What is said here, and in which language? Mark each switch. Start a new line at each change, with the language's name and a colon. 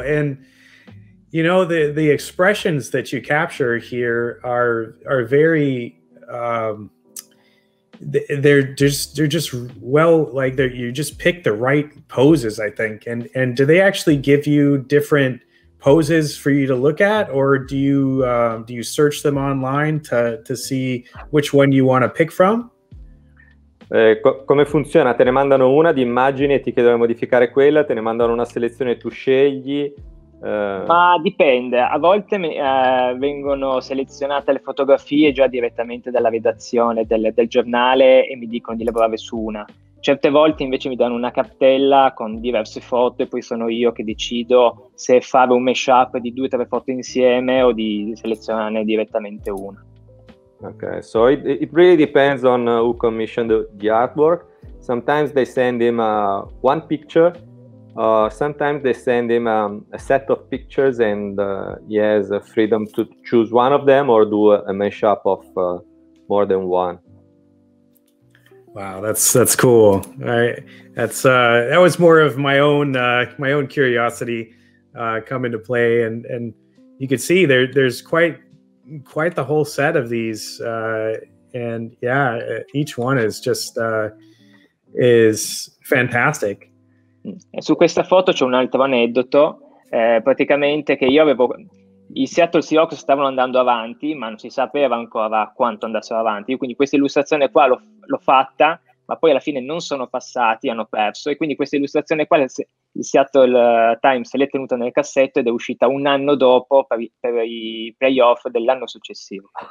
English: And you know, the expressions that you capture here are very they're just well, like you just pick the right poses, I think. And do they actually give you different poses for you to look at, or do you search them online to see which one you want to pick from?
Italian: Come funziona? Te ne mandano una di immagini e ti chiedono di modificare quella, te ne mandano una selezione e tu scegli. Ma dipende, a volte vengono selezionate le fotografie già direttamente dalla redazione del giornale e mi dicono di lavorare su una. Certe volte invece mi danno una cartella con diverse foto e poi sono io che decido se fare un mashup di 2 o 3 foto insieme o di selezionarne direttamente una.
English: Ok, so it really depends on who commissioned the artwork. Sometimes they send him one picture. Sometimes they send him a set of pictures and he has a freedom to choose one of them or do a mashup of more than one. Wow, that's cool. That was more of my own curiosity come into play, and you could see there's quite the whole set of these, and yeah, each one is just is fantastic.
Italian: E su questa foto c'è un altro aneddoto, praticamente che io avevo. I Seattle Seahawks stavano andando avanti, ma non si sapeva ancora quanto andassero avanti. Io quindi questa illustrazione qua l'ho fatta ma poi alla fine non sono passati, hanno perso, e quindi questa illustrazione qua, il Seattle Times l'è tenuta nel cassetto ed è uscita un anno dopo per i playoff dell'anno successivo.